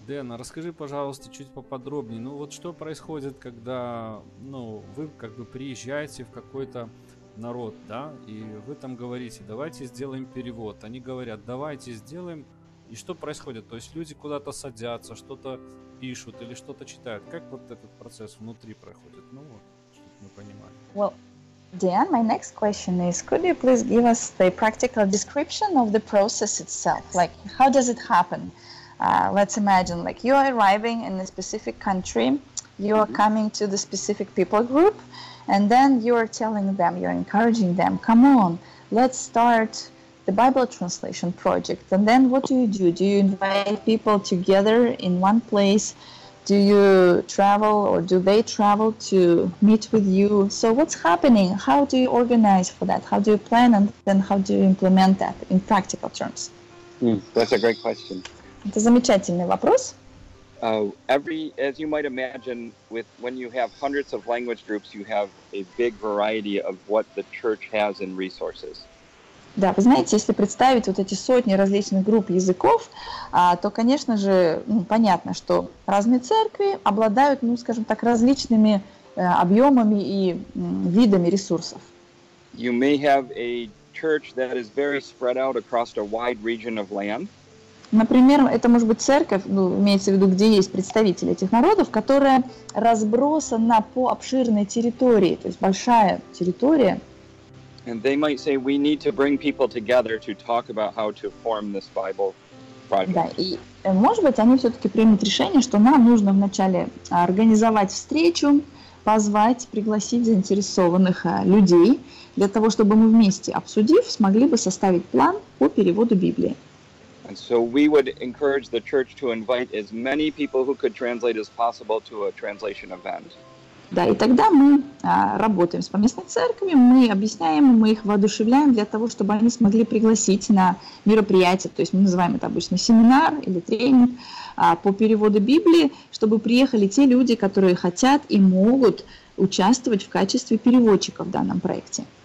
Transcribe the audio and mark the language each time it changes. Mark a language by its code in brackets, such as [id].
[ru] Дэн, расскажи, пожалуйста, чуть поподробнее. Ну вот что происходит, когда, ну, вы как бы приезжаете в какой-то народ, да, и вы там говорите, давайте сделаем перевод. Они говорят, давайте сделаем. И что происходит? То есть люди куда-то садятся, что-то пишут или что-то читают. Как вот этот процесс внутри проходит? Ну вот, чтобы мы понимали. [en] Well, Dan, my next question is, could you please give us the practical description of the process itself? Like, how does it happen? Let's imagine, like, you are arriving in a specific country, you are coming to the specific people group, and then you are telling them, you're encouraging them, come on, let's start the Bible translation project. And then what do? Do you invite people together in one place? Do you travel or do they travel to meet with you? So what's happening? How do you organize for that? How do you plan and then how do you implement that in practical terms? That's a great question. [ru] Это замечательный вопрос. [en] As you might imagine, when you have hundreds of language groups, you have a big variety of what the church has in resources. [ru] Да, вы знаете, если представить вот эти сотни различных групп языков, то, конечно же, ну, понятно, что разные церкви обладают, ну, скажем так, различными объемами и видами ресурсов. [en] You may have a church that is very spread out across a wide region of land. [ru] Например, это может быть церковь, ну, имеется в виду, где есть представители этих народов, которая разбросана по обширной территории, то есть большая территория. [en] And they might say, we need to bring people together to talk about how to form this Bible project. [ru] Да, и, может быть, они все-таки примут решение, что нам нужно вначале организовать встречу, позвать, пригласить заинтересованных людей, для того, чтобы мы вместе, обсудив, смогли бы составить план по переводу Библии. [en] And so we would encourage the church to invite as many people who could translate as possible to a translation event. [ru] Да, и тогда мы работаем с поместной церковью, мы объясняем, мы их воодушевляем для того, чтобы они смогли пригласить на мероприятие, то есть мы называем это обычно семинар или тренинг по переводу Библии, чтобы приехали те люди, которые хотят и могут участвовать в качестве переводчика в данном проекте.